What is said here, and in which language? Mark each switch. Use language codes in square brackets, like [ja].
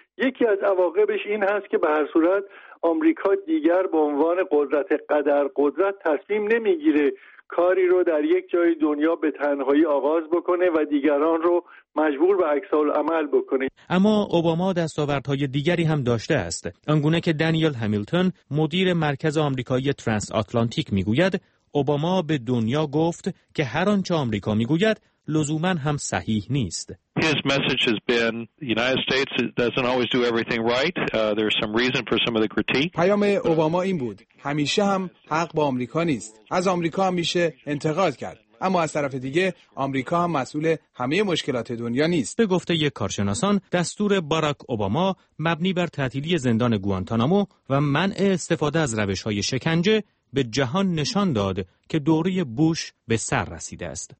[fa] یکی از عواقبش این هست که به هر صورت آمریکا دیگر به عنوان قدرت قدر قدرت تصمیم نمیگیره کاری رو در یک جای دنیا به تنهایی آغاز بکنه و دیگران رو مجبور به عکس العمل بکنه. اما اوباما دستاوردهای دیگری هم داشته است، آنگونه که دانیل همیلتون مدیر مرکز آمریکایی ترانس آتلانتیک میگوید. اوباما به دنیا گفت که هر آنچه آمریکا میگوید لزوماً هم صحیح نیست. [en] His message has been the United States doesn't always do everything right. There's some reason for some of the critique. [fa] پیام اوباما این بود. همیشه هم حق با آمریکا نیست. از آمریکا هم میشه انتقاد کرد. اما از طرف دیگه آمریکا هم مسئول همه مشکلات دنیا نیست. به گفته یک کارشناسان دستور باراک اوباما مبنی بر تعطیلی زندان گوانتانامو و منع استفاده از روش‌های شکنجه به جهان نشان داد که دوره بوش به سر رسیده است.